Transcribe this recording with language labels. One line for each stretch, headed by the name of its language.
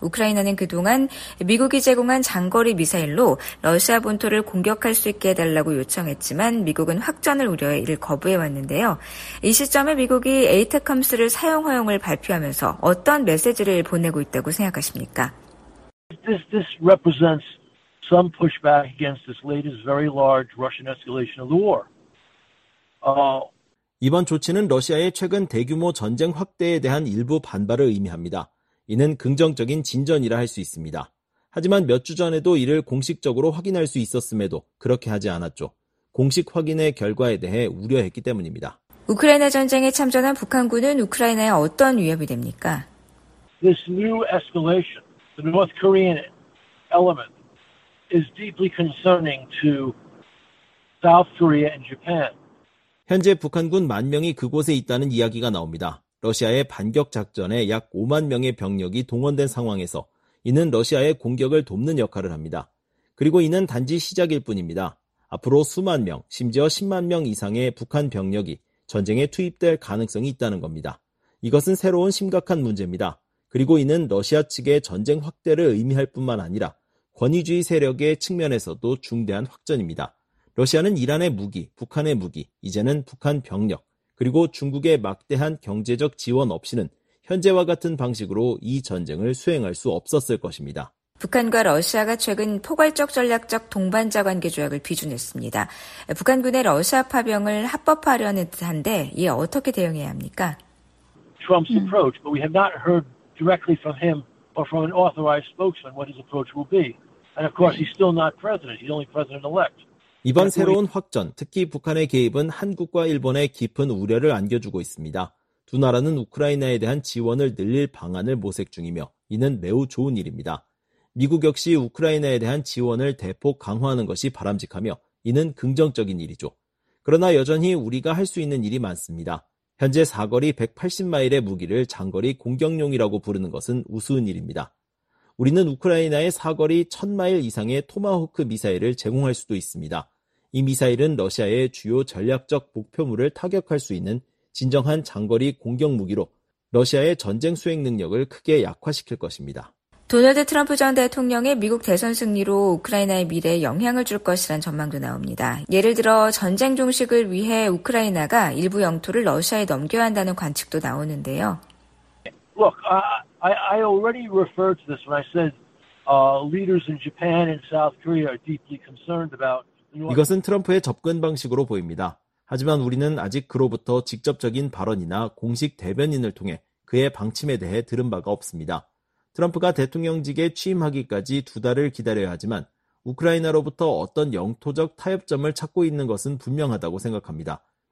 Korean: 우크라이나는 그동안 미국이 제공한 장거리 미사일로 러시아 본토를 공격할 수 있게 해달라고 요청했지만 미국은 확전을 우려해 이를 거부해왔는데요. 이 시점에 미국이 에이테컴스를 사용 허용을 발표하면서 어떤 메시지를 보내고 있다고 생각하십니까?
English: This represents some pushback against this latest very large Russian escalation of the war.
Korean: 이번 조치는 러시아의 최근 대규모 전쟁 확대에 대한 일부 반발을 의미합니다. 이는 긍정적인 진전이라 할 수 있습니다. 하지만 몇 주 전에도 이를 공식적으로 확인할 수 있었음에도 그렇게 하지 않았죠. 공식 확인의 결과에 대해 우려했기 때문입니다. 우크라이나 전쟁에 참전한 북한군은 우크라이나에 어떤 위협이 됩니까?
English: This new escalation, the North Korean element, is deeply concerning to South Korea and Japan.
Korean: 현재 북한군 만 명이 그곳에 있다는 이야기가 나옵니다. 러시아의 반격 작전에 약 5만 명의 병력이 동원된 상황에서 이는 러시아의 공격을 돕는 역할을 합니다. 그리고 이는 단지 시작일 뿐입니다. 앞으로 수만 명, 심지어 10만 명 이상의 북한 병력이 전쟁에 투입될 가능성이 있다는 겁니다. 이것은 새로운 심각한 문제입니다. 그리고 이는 러시아 측의 전쟁 확대를 의미할 뿐만 아니라 권위주의 세력의 측면에서도 중대한 확전입니다. 러시아는 이란의 무기, 북한의 무기, 이제는 북한 병력, 그리고 중국의 막대한 경제적 지원 없이는 현재와 같은 방식으로 이 전쟁을 수행할 수 없었을 것입니다. 북한과 러시아가 최근 포괄적 전략적 동반자 관계 조약을 비준했습니다. 북한군의 러시아 파병을 합법화하려는 듯한데 이에 어떻게 대응해야 합니까?
English: Trump's approach, but we have not heard directly from him or from an authorized spokesman what his approach will be. And of course, he's still not president. He's only president-elect.
Korean: 이번 새로운 확전, 특히 북한의 개입은 한국과 일본에 깊은 우려를 안겨주고 있습니다. 두 나라는 우크라이나에 대한 지원을 늘릴 방안을 모색 중이며 이는 매우 좋은 일입니다. 미국 역시 우크라이나에 대한 지원을 대폭 강화하는 것이 바람직하며 이는 긍정적인 일이죠. 그러나 여전히 우리가 할 수 있는 일이 많습니다. 현재 사거리 180마일의 무기를 장거리 공격용이라고 부르는 것은 우스운 일입니다. 우리는 우크라이나에 사거리 1000마일 이상의 토마호크 미사일을 제공할 수도 있습니다. 이 미사일은 러시아의 주요 전략적 목표물을 타격할 수 있는 진정한 장거리 공격 무기로 러시아의 전쟁 수행 능력을 크게 약화시킬 것입니다. 도널드 트럼프 전 대통령의 미국 대선 승리로 우크라이나의 미래에 영향을 줄 것이란 전망도 나옵니다. 예를 들어 전쟁 종식을 위해 우크라이나가 일부 영토를 러시아에 넘겨야 한다는 관측도 나오는데요.
English: Look, I already referred to this when I said leaders in Japan and South Korea are deeply concerned about.
Korean: 이것은 트럼프의 접근 방식으로 보입니다. 하지만 우리는 아직 그로부터 직접적인 발언이나 공식 대변인을 통해 그의 방침에 대해 들은 바가 없습니다. 트럼프가 대통령직에 취임하기까지 두 달을 기다려야 하지만 우크라이나로부터 어떤 영토적 타협점을 찾고 있는 것은 분명하다고 생각합니다.